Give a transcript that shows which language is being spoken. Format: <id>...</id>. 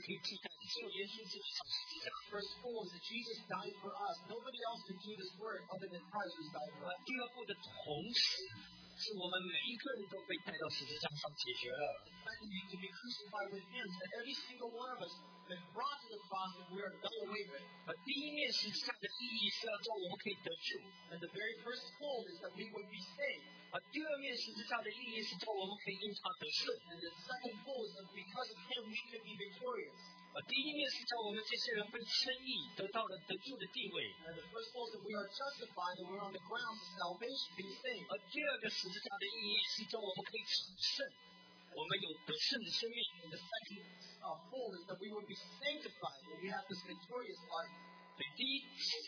<zh>所以第一面主替我们死是没有人可以替代的，只有耶稣自己上十字架。</zh> <en>First four is that Jesus died for us. Nobody else could do this work other than Christ who died for us.</en> <zh>第二步的同时，是我们每一个人都被带到十字架上解决了。</zh> <en>And to be crucified with Him, that every single one of us been brought to the cross and we are done away with.</en> <zh>第一面十字架的意义是要叫我们可以得救。</zh> <en>And the very first goal is that we would be saved.</en> <zh>第二面十字架的意义是叫我们可以因他得胜。</zh> <en>And the second goal is that because of Him we can be victorious.</en> <zh>第一面是叫我们这些人被称义得到了得救的地位。</zh> <en>And the first goal is that we are justified and we're on the ground of salvation being saved.</en> <zh>第二个十字架的意义是叫我们可以成圣。我们有得胜的生命,</zh> <en>the second goal is that we will be sanctified and we have this victorious life.</en>